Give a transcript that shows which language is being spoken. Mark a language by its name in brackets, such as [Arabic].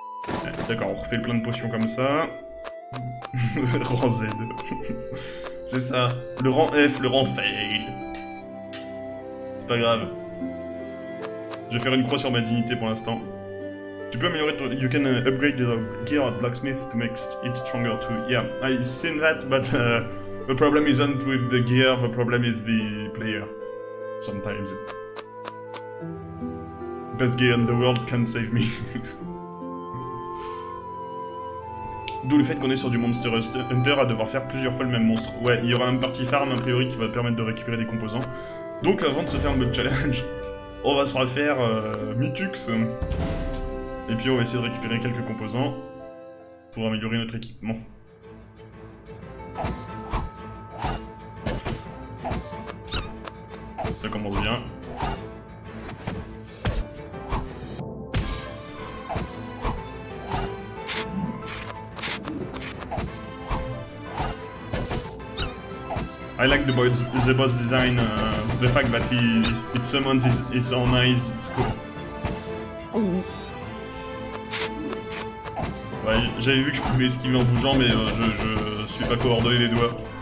[French] Ouais, d'accord, on refait plein de potions comme ça. Rang Z. C'est ça. Le rang F, le rang fail. C'est pas grave. Je vais faire une croix sur ma dignité pour l'instant. Tu peux améliorer ton... [English] You can upgrade your gear at blacksmith to make it stronger too. Yeah, I've seen that, but the problem isn't with the gear, the problem is the player. Sometimes it... Best gear in the world can't save me. [French] D'où le fait qu'on est sur du Monster Hunter à devoir faire plusieurs fois le même monstre. Ouais, il y aura une partie farm a priori qui va permettre de récupérer des composants. Donc avant de se faire un mode challenge, on va se refaire Mythux. Et puis on va essayer de récupérer quelques composants pour améliorer notre équipement. Ça commence bien. [English] I like the boss design, the fact that it summons his own eyes, it's cool. [French] Ouais, j'avais vu que je pouvais esquiver en bougeant, mais je suis pas coordonné des doigts.